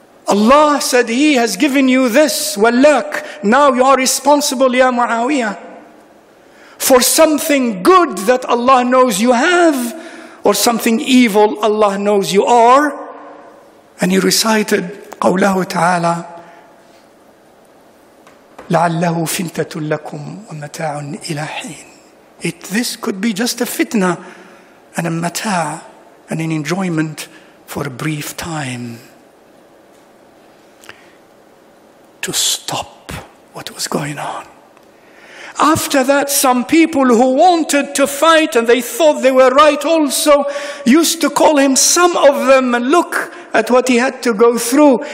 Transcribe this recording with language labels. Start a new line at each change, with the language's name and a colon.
English: Allah said, He has given you this, wallak. Now you are responsible, ya Muawiyah, for something good that Allah knows you have, or something evil Allah knows you are. And he recited, qawlahu ta'ala,
Arabic: لعله فتنة لكم ومتاع إلى حين.
English: This could be just a fitna and a mata' and an enjoyment for a brief time. To stop what was going on. After that, some people who wanted to fight and they thought they were right also used to call him, some of them, and look at what he had to go through.